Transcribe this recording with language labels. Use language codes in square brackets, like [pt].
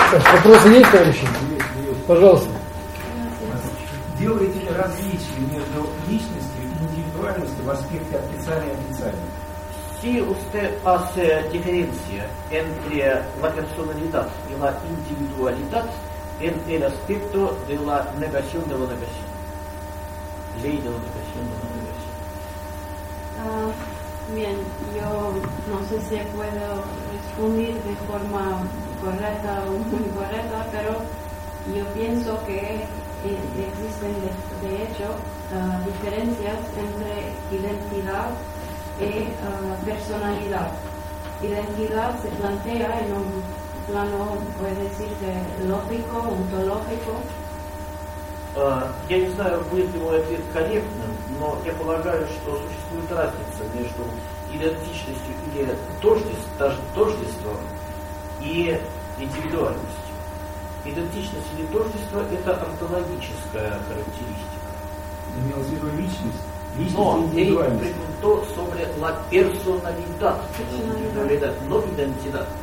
[ru] Вопросы есть, товарищи? Пожалуйста. Делаете ли различие между личностью и индивидуальностью в аспекте отрицания и отрицания? [es] Si usted hace diferencia entre la personalidad y la individualidad en el aspecto de la negación de la negación. Ley de la negación de la negación. Bien, yo no sé si puedo responder de forma correcta o muy correcta, pero yo pienso que existen de hecho diferencias entre identidad y personalidad. Identidad se plantea en un plano, puede decir, de lógico, ontológico. [ru] Я не знаю, будет ли мой ответ корректным, но я полагаю, что существует разница между идентичностью или тождеством и индивидуальностью. Идентичность или тождество — это онтологическая характеристика. имел в виду личность. [es] То sobre la personalidad, no identidad.